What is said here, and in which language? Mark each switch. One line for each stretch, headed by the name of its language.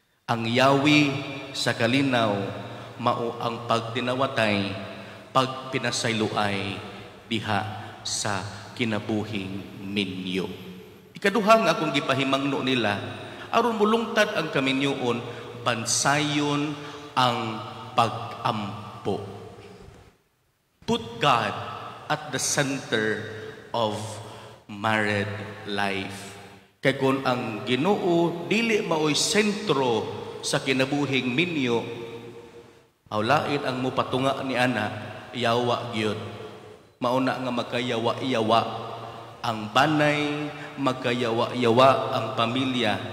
Cebuano: Ang yawi sa kalinaw, mao ang pagdinawatay, pagpinasayluay diha sa kinabuhing minyo. Ikaduhang akong gipahimangno nila, aron mulungtad ang kaminyuon, bansayon ang pag-ampo.
English: Put God at the center of married life.
Cebuano: Kay kung ang Ginoo dili maoy sentro sa kinabuhing minyo, awlain ang mupatunga ni ana, yawa gyud. Mauna nga magkayawa-yawa ang banay, magkayawa-yawa ang pamilya.